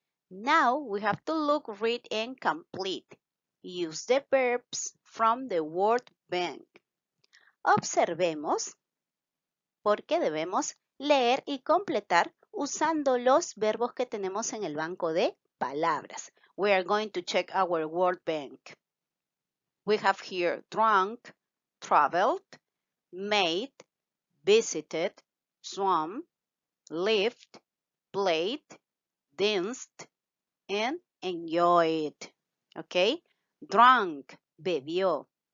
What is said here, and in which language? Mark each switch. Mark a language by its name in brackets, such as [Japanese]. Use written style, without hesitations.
[English] Now we have to look, read, and complete. Use the verbs from the word bank. [Spanish] Observemos por qué debemos leer y completar usando los verbos que tenemos en el banco de palabras. [English] We are going to check our word bank. We have here drunk, traveled, made, visited, swum, lived, played, danced, and enjoyed. Okay? Drunk, bebió.